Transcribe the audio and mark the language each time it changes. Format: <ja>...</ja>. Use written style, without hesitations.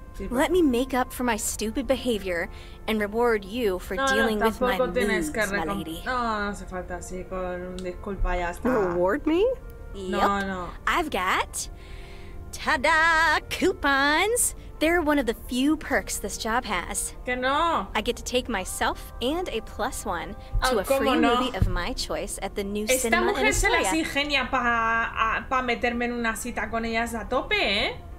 <en>Let me make up for my stupid behavior and reward you for dealing with my moods, my lady.</en> <es>No, no hace falta así con disculpa, ya está.</es> <en>Reward me? Yep. No. I've got... Ta-da! Coupons! They're one of the few perks this job has.</en> <es>Que no!</es> <en>I get to take myself and a plus one to a free movie of my choice at the new</en> <es>Esta</es> <en>cinema in Astoria.</en> <es>Esta mujer se las ingenia pa meterme en una cita con ellas a tope, ¿eh?</es>